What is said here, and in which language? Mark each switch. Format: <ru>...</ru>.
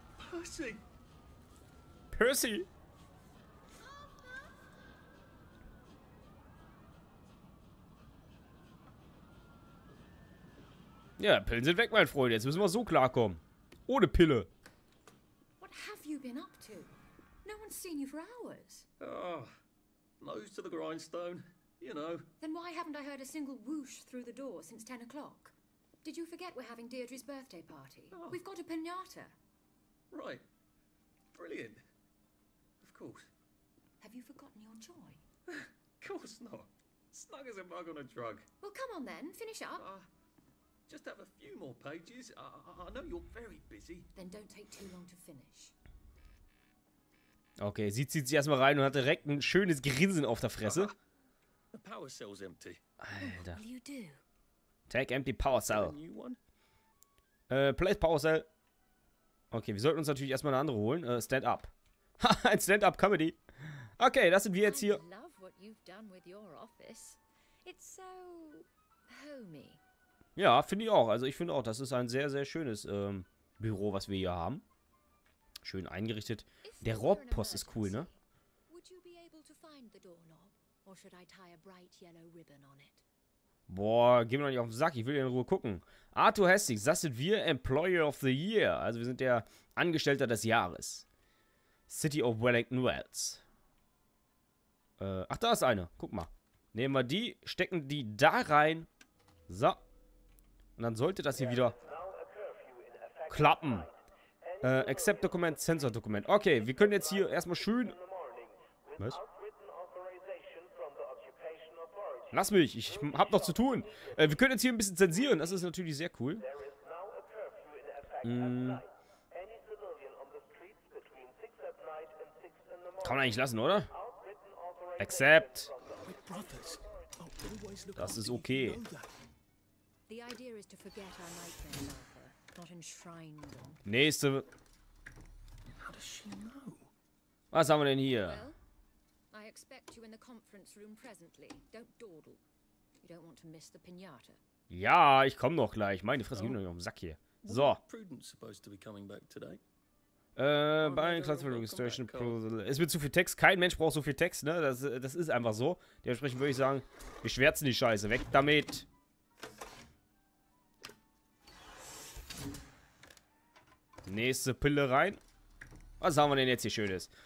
<de>Percy! Percy! Ja, Pillen sind weg, mein Freund. Jetzt müssen wir so klarkommen. Ohne Pille.</de> <en>What have you been up to? No one's seen you for hours. Oh, nose to the grindstone, you know. Then why haven't I heard a single whoosh through the door since 10 o'clock? Did you forget we're having Deirdre's birthday party? Oh. We've got a pinata. Right. Brilliant. Of course. Have you forgotten your joy? Of course not. Snug as a mug on a drug. Well, come on then. Finish up. Just have a few more pages. I know you're very busy. Then don't take too long to finish.</en> <de>Okay, sie zieht sich erstmal rein und hat direkt ein schönes Grinsen auf der Fresse.</de> <en>The power cell's empty.</en> <de>Alter.</de> <en>What do you do? Take empty power cell. Place power cell.</en> <de>Okay, wir sollten uns natürlich erstmal eine andere holen. Stand up. Haha, ein Stand up Comedy. Okay, das sind wir jetzt hier.</de> <en>I love what you've done with your office. It's so homey.</en> <de>Ja, finde ich auch. Also ich finde auch, das ist ein sehr, sehr schönes Büro, was wir hier haben. Schön eingerichtet. Der Rohrpost ist cool, ne?</de> <en>Would you be able to find the doorknob, or should I tie a bright yellow ribbon on it?</en> <de>Boah, geh mir doch nicht auf den Sack. Ich will in Ruhe gucken. Arthur Hastings, das sind wir Employer of the Year. Also wir sind der Angestellter des Jahres.</de> <en>City of Wellington Wells.</en> <de>Ach, da ist eine. Guck mal. Nehmen wir die, stecken die da rein. So. Und dann sollte das hier wieder klappen. Accept Dokument, Sensor Dokument. Okay, wir können jetzt hier erstmal schön... Was? Lass mich, ich hab noch zu tun. Wir können jetzt hier ein bisschen zensieren. Das ist natürlich sehr cool. Kann man eigentlich lassen, oder?</de> <en>Accept.</en> <de>Das ist okay.</de> <en>The idea is to forget our nightmare, Martha, not enshrine them.</en> <de>Nächste.</de> <en>How does she know?</en> <de>Was haben wir denn hier?</de> <en>Well, I expect you in the conference room presently. Don't dawdle. You don't want to miss the pinata.</en> <de>Ja, ich komme noch gleich. Meine Fresse, geht mir noch auf den Sack hier. So.</de> <en>Prudence supposed to be coming back today.</en> <de>Bei Classified Registration Proposal. Es wird zu viel Text. Kein Mensch braucht so viel Text, ne? Das ist einfach so. Dementsprechend würde ich sagen, wir schwärzen die Scheiße. Weg damit. Nächste Pille rein. Was haben wir denn jetzt hier Schönes?</de>